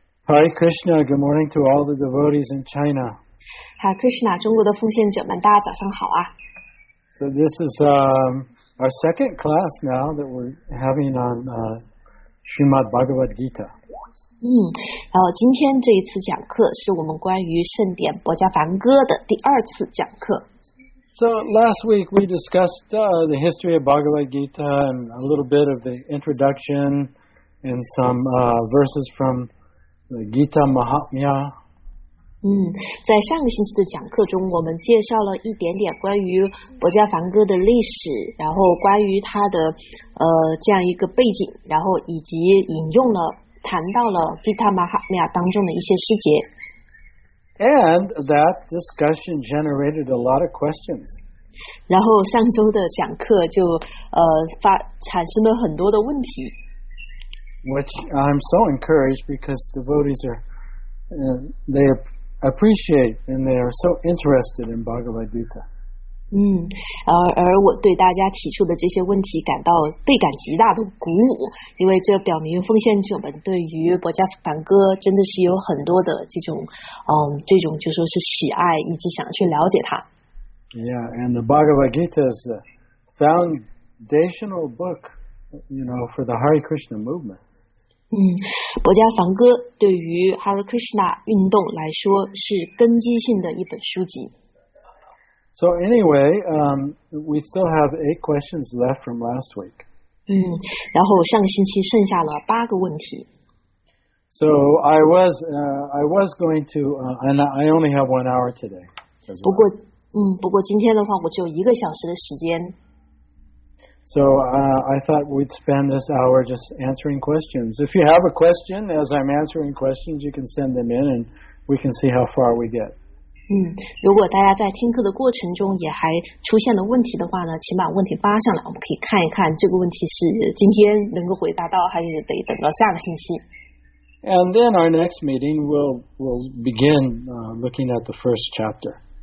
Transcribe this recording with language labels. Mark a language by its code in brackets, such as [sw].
[en] Hare Krishna, good morning to all the devotees in China. [zh] Hare Krishna, 中国的奉献者们，大家早上好啊。 [en] So this is our second class now that we're having on Srimad Bhagavad Gita. [zh] 然后今天这一次讲课是我们关于圣典《薄伽梵歌》的第二次讲课。 [en] So last week we discussed the history of Bhagavad Gita and a little bit of the introduction and some verses from the Gita Mahatmya. [zh] 在上个星期的讲课中，我们介绍了一点点关于《薄伽梵歌》的历史，然后关于它的这样一个背景，然后以及引用了谈到了《Gita Mahatmya》当中的一些细节。 [en] And that discussion generated a lot of questions. [zh] 然后上周的讲课就产生了很多的问题。 [en] Which I'm so encouraged because devotees are they appreciate and they are so interested in Bhagavad Gita. [zh] 而我对大家提出的这些问题感到倍感极大的鼓舞，因为这表明奉献者们对于薄伽梵歌真的是有很多的这种就说是喜爱以及想去了解它。 [en] Yeah, and the Bhagavad Gita is the foundational book, you know, for the Hare Krishna movement. [zh] 薄伽梵歌对于 Hare Krishna 运动来说是根基性的一本书籍。 [en] So anyway, we still have 8 questions left from last week. [zh] 然后上个星期剩下了八个问题。 [en] So I was going to, and I only have 1 hour today. [zh] 不过今天的话，我只有一个小时的时间。 [en] So I thought we'd spend this hour just answering questions. If you have a question, as I'm answering questions, you can send them in, and we can see how far we get. [zh] 如果大家在听课的过程中也还出现了问题的话呢，请把问题发上来，我们可以看一看这个问题是今天能够回答到，还是得等到下个星期。 [en] And then our next meeting will begin looking at the first chapter.